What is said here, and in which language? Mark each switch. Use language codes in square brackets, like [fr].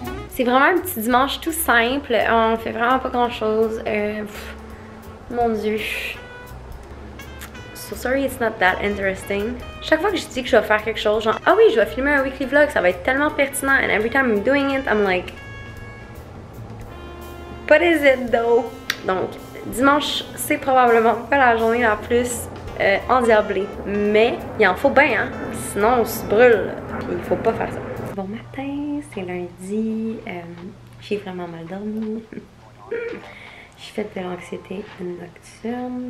[fr] C'est vraiment un petit dimanche tout simple. On fait vraiment pas grand chose. Mon dieu. [en] So sorry, it's not that interesting. [fr] Chaque fois que je dis que je vais faire quelque chose, genre, ah oui, je vais filmer un weekly vlog, ça va être tellement pertinent. [en] And every time I'm doing it, I'm like, what is it though? [fr] Donc, dimanche, c'est probablement pas la journée la plus endiablée. Mais, il en faut bien, hein? Sinon, on se brûle. Il faut pas faire ça. Bon matin, c'est lundi. J'ai vraiment mal dormi. J'ai fait de l'anxiété nocturne.